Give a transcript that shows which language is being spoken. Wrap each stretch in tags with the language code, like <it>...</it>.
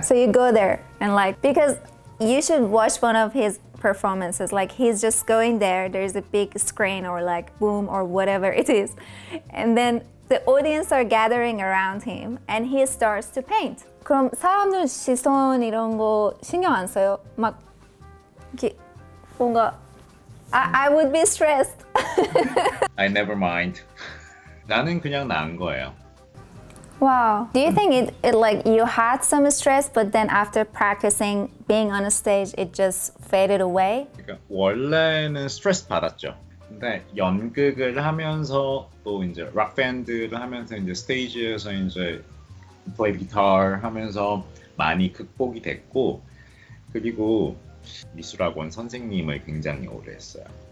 <en>So you go there and like, because you should watch one of his performances. Like he's just going there. There's a big screen or like boom or whatever it is. And then the audience are gathering around him and he starts to paint.</en> <ko>그럼 사람들 시선 이런 거 신경 안 써요? 막 이렇게 뭔가</ko> <en>I would be stressed. I never mind.</en> <ko>나는 그냥 난 거예요.</ko> <en>Wow. Do you think it like you had some stress, but then after practicing being on a stage, it just faded away?</en> <ko>그러니까 원래는 스트레스 받았죠. 근데 연극을 하면서 또 이제 락 밴드를 하면서 이제 스테이지에서 이제</ko> <en>play guitar</en> <ko>하면서 많이 극복이 됐고, 그리고 미술학원 선생님을 굉장히 오래 했어요.</ko>